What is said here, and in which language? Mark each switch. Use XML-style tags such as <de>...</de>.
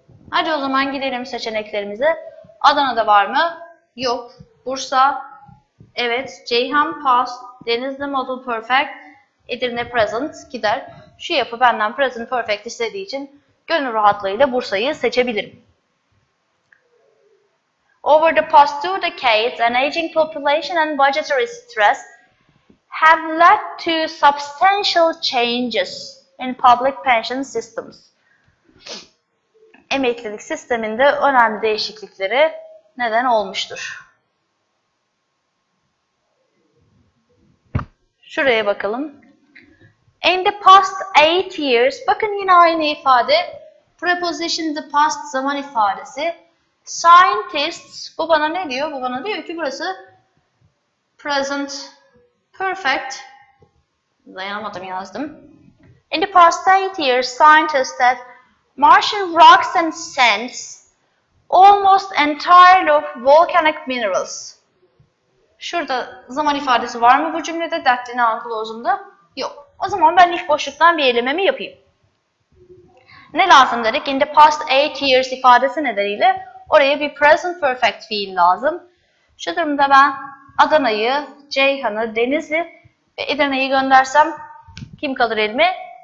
<tr>Hadi o zaman gidelim seçeneklerimize. Adana'da var mı? Yok. Bursa, evet, Ceyhan past, Denizli model perfect, Edirne Present gider. Şu yapı benden Present Perfect istediği için gönül rahatlığıyla Bursa'yı seçebilirim.</tr> <en>Over the past two decades, an aging population and budgetary stress have led to substantial changes in public pension systems.</en> <tr>Emeklilik sisteminde önemli değişikliklere neden olmuştur. Şuraya bakalım.</tr> <en>In the past eight years,</en> <tr>bakın yine aynı ifade, preposition the past zaman ifadesi. Scientists, bu bana ne diyor? Bu bana diyor ki burası present perfect. Dayanamadım yazdım.</tr> <en>In the past eight years, scientists said Martian rocks and sands almost entirely of volcanic minerals.</en> <tr>Şurada zaman ifadesi var mı bu cümlede? Dertliğine anlatıl olduğumda. Yok. O zaman ben iş boşluktan bir elememi yapayım. Ne lazım dedik?</tr> <en>In the past eight years</en> <tr>ifadesi nedeniyle oraya bir present perfect fiil lazım. Şu durumda ben Adana'yı, Ceyhan'ı, Deniz'i ve Edirne'yi göndersem kim kalır elime?</tr>